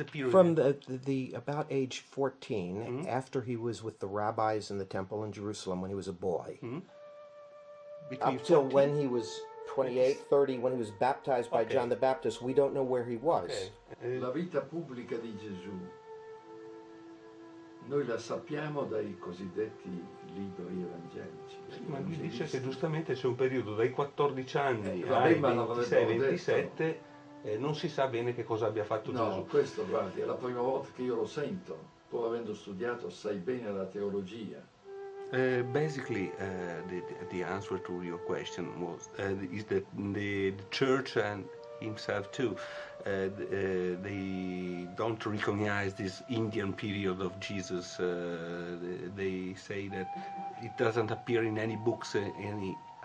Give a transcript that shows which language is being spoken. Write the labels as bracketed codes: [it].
[en] From the about age 14, mm-hmm. after he was with the rabbis in the temple in Jerusalem when he was a boy, mm-hmm. up till when he was 28, 30, when he was baptized by John the Baptist, we don't know where he was. [it] La vita pubblica di Gesù, noi la sappiamo dai cosiddetti libri evangelici. Ma lui dice che giustamente c'è un periodo dai 14 anni ai 26, 27. Non si sa bene che cosa abbia fatto no, Gesù. No, questo, guardi, è la prima volta che io lo sento, pur avendo studiato assai bene la teologia. [en] Basically, the answer to your question was is that the church and himself too, they don't recognize this Indian period of Jesus. They say that it doesn't appear in any books, any...